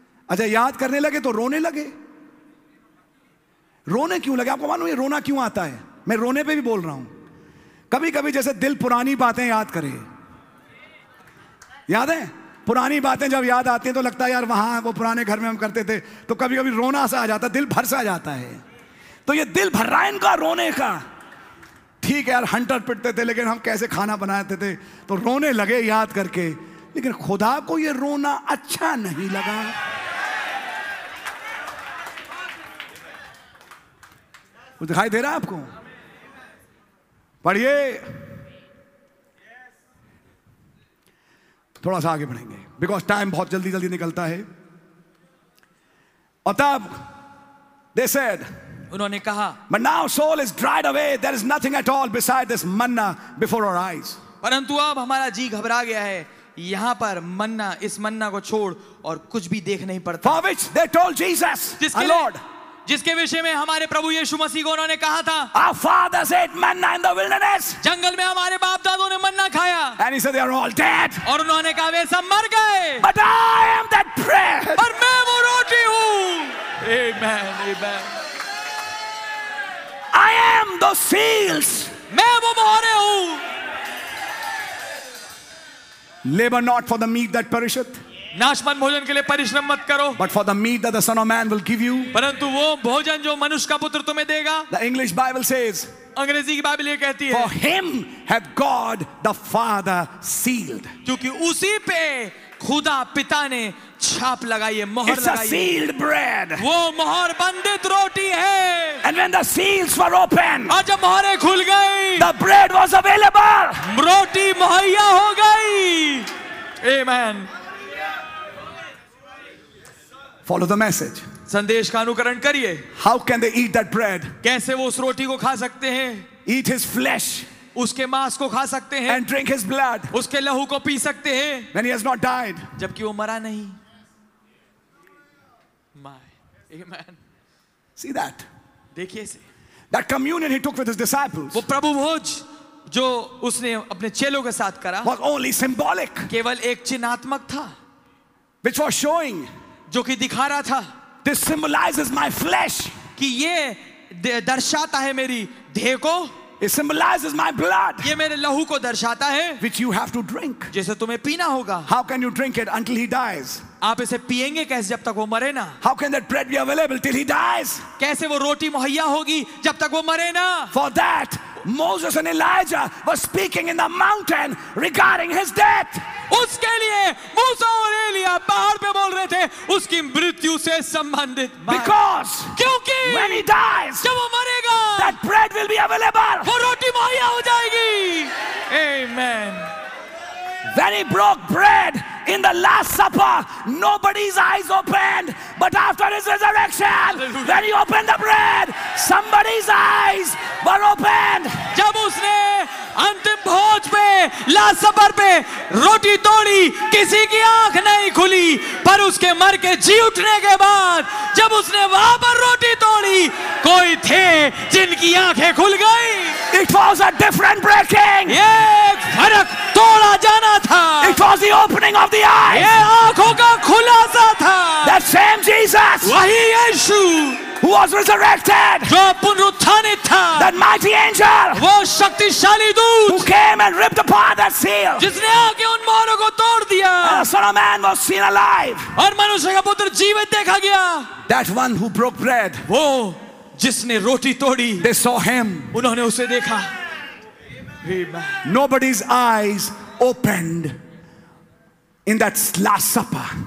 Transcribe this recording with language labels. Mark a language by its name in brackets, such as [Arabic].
[Hindi] अच्छा, याद करने लगे तो रोने लगे. रोने क्यों लगे आपको मालूम है? रोना क्यों आता है? मैं रोने पे भी बोल रहा हूं. कभी कभी जैसे दिल पुरानी बातें याद करे, याद है पुरानी बातें जब याद आती हैं तो लगता है यार वहां वो पुराने घर में हम करते थे, तो कभी कभी रोना सा आ जाता, दिल भर सा जाता है. तो ये दिल भर रहा है इनका रोने का. ठीक है यार, हंटर पिटते थे लेकिन हम कैसे खाना बनाते थे, तो रोने लगे याद करके. लेकिन खुदा को ये रोना अच्छा नहीं लगा. वो दिखाई दे रहा आपको? पढ़िए, थोड़ा सा आगे बढ़ेंगे [English] because time [Hindi] बहुत जल्दी जल्दी निकलता है. और तब [English] they said, [Hindi] उन्होंने कहा, [English] But now soul is dried away, there is nothing at all beside this manna before our eyes. [Hindi] परंतु अब हमारा जी घबरा गया है, यहां पर मन्ना, इस मन्ना को छोड़ और कुछ भी देख नहीं पड़ता. [English] for which they told Jesus, [Hindi] जिसके [English] lord, [Hindi] जिसके विषय में हमारे प्रभु यीशु मसीह को उन्होंने कहा था, [English] Our fathers ate manna in the wilderness. [Hindi] जंगल में हमारे बाप दादों ने मन्ना खाया. [English] And he said they are all dead. [Hindi] और उन्होंने कहा वे सब मर गए. [English] But I am that bread. [Hindi] पर मैं वो रोटी हूँ. [English] Amen, amen. I am the seals. [Hindi] मैं वो मोहरे हूँ. [English] Labor not for the meat that perisheth. [Hindi] नाशवान भोजन के लिए परिश्रम मत करो. [English] But for the meat that the Son of Man will give you. [Hindi] परंतु वो भोजन जो मनुष्य का पुत्र तुम्हें देगा. [English] The English Bible says. [Hindi] अंग्रेजी की बाइबल ये कहती है. [English] For him hath God the Father sealed. [Hindi] क्योंकि उसी पे खुदा पिता ने छाप लगाई है, मोहर लगाई है. [English] It's a sealed bread. [Hindi] वो मोहर बंधित रोटी है. [English] And when the seals were open. [Hindi] और जब मोहरें खुल गई. [English] The bread was available. [Hindi] रोटी मुहैया हो गई. Amen. [English] Follow the message. [Hindi] संदेश का अनुकरण करिए. [English] How can they eat that bread? [Hindi] कैसे वो उस रोटी को खा सकते हैं? [English] Eat his flesh. [Hindi] उसके मांस को खा सकते हैं. [English] And drink his blood. [Hindi] उसके लहू को पी सकते हैं. [English] When he has not died. [Hindi] जबकि वो मरा नहीं. [English] My. Amen. See that. [Hindi] देखिए [English] That communion he took with his disciples. [Hindi] वो प्रभु भोज जो उसने अपने चेलों के साथ करा. [English] Was only symbolic. [Hindi] केवल एक चिन्हात्मक था. [English] Which was showing. [Hindi] जो कि दिखा रहा था. [English] This symbolizes my flesh. [Hindi] कि ये दर्शाता है मेरी देह को. [English] It symbolizes my blood. [Hindi] ये मेरे लहू को दर्शाता है. [English] Which you have to drink. [Hindi] जिसे तुम्हें पीना होगा. [English] How can you drink it until he dies? [Hindi] आप इसे पिएंगे कैसे जब तक वो मरे ना? [English] How can that bread be available till he dies? [Hindi] कैसे वो रोटी मुहैया होगी जब तक वो मरे ना? [English] For that Moses and Elijah were speaking in the mountain regarding his death. [Hindi] उसके लिए मूसा और एलिया बाहर पे बोल रहे थे उसकी मृत्यु से संबंधित. [English] Because [Hindi] क्योंकि [English] when he dies, [Hindi] जब वो मरेगा, [English] that bread will be available. [Hindi] वो रोटी मुहैया हो जाएगी. Amen. [English] When he broke bread in the Last Supper, nobody's eyes opened. But after his resurrection, when he opened the bread, somebody's eyes were opened. [Hindi] जब उसने अंतिम भोज पे, Last Supper पे रोटी तोड़ी, किसी की आँख नहीं खुली. पर उसके मर के जी उठने के बाद, जब उसने वहाँ पर रोटी तोड़ी, कोई थे जिनकी आँखें खुल गईं. [English] It was a different breaking. [Hindi] एक फर्क तोड़ा जाना था. [English] It was the opening of the eyes. [Hindi] ये आँखों का खुलासा था. [English] That same Jesus. [Hindi] वही यीशु. [English] Who was resurrected? [Hindi] जो पुनरुत्थानित था. [English] That mighty angel. [Hindi] वो शक्तिशाली दूत. [English] Who came and ripped apart that seal. [Hindi] जिसने आके उन मोहरों को तोड़ दिया. [English] And the Son of Man was seen alive. [Hindi] और मनुष्य का पुत्र जीवित देखा गया. [English] That one who broke bread. [Hindi] वो जिसने रोटी तोड़ी. [English] They saw him. [Hindi] उन्होंने उसे देखा. [English] Amen. Nobody's eyes opened in that Last Supper.